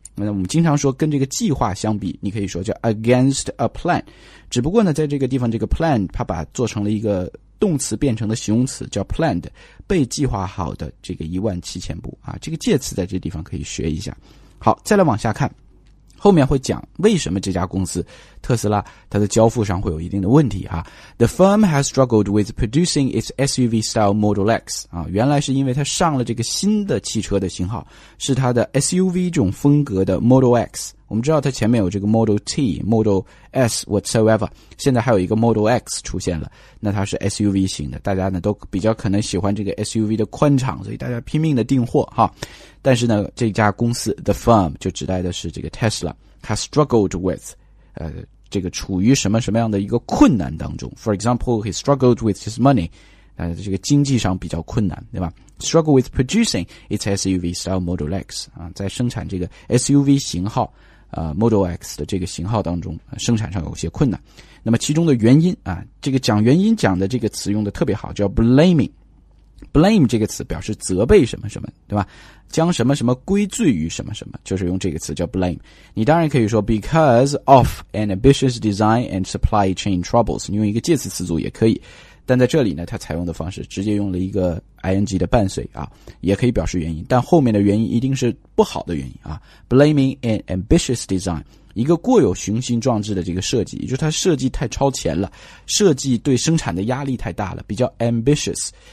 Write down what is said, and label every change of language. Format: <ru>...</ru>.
<zh>那我们经常说跟这个计划相比，你可以说叫</zh> <en>against a plan，</en> <zh>只不过呢在这个地方这个 plan 它把做成了一个动词变成了形容词叫 planned， 被计划好的这个17,000步啊，这个介词在这地方可以学一下。好，再来往下看，后面会讲为什么这家公司特斯拉它的交付上会有一定的问题啊。</zh> <en>The firm has struggled with producing its SUV style Model X</en> <zh>啊，原来是因为它上了这个新的汽车的型号，是它的 SUV 这种风格的 Model X。我们知道它前面有这个 Model T、Model S whatsoever， 现在还有一个 Model X 出现了，那它是 SUV 型的，大家呢都比较可能喜欢这个 SUV 的宽敞，所以大家拼命的订货哈。但是呢，这家公司 The Firm 就指代的是这个 Tesla， 它 struggled with， 这个处于什么什么样的一个困难当中 ？</zh> <en>For example， he struggled with his money，</en> <zh>这个经济上比较困难，对吧？</zh> <en>Struggle with producing its SUV style Model X</en> <zh>啊，在生产这个 SUV 型号，Model X 的这个型号当中，生产上有些困难。那么其中的原因啊，这个讲原因讲的这个词用的特别好，叫 blaming。 blame 这个词表示责备什么什么，对吧？将什么什么归罪于什么什么，就是用这个词叫 blame。你当然可以说</zh> <en>because of an ambitious design and supply chain troubles，</en> <zh>你用一个介词词组也可以。但在这里呢，它采用的方式直接用了一个 ing 的伴随啊，也可以表示原因，但后面的原因一定是不好的原因啊。</zh> <en>Blaming an ambitious design，</en> <zh>一个过有雄心壮志的这个设计，也就是它设计太超前了，设计对生产的压力太大了，比较 ambitious。</zh>